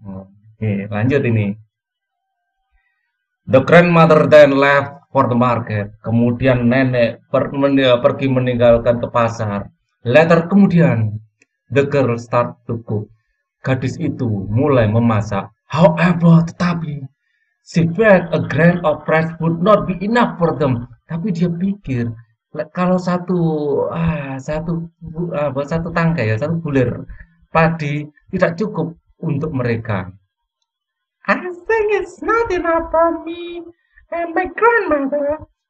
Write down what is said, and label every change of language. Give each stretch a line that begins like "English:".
English: Oke,
Indonesian: lanjut ini.
English: The grandmother then left for the market.
Indonesian: Kemudian nenek pergi meninggalkan ke pasar.
English: Later
Indonesian: kemudian,
English: the girl start to cook.
Indonesian: Gadis itu mulai memasak.
English: However,
Indonesian: tetapi,
English: she felt a grain of rice would not be enough for them.
Indonesian: Tapi dia pikir, kalau satu tangkai ya, satu bulir padi tidak cukup untuk mereka.
English: I think it's not enough for me and my grandmother.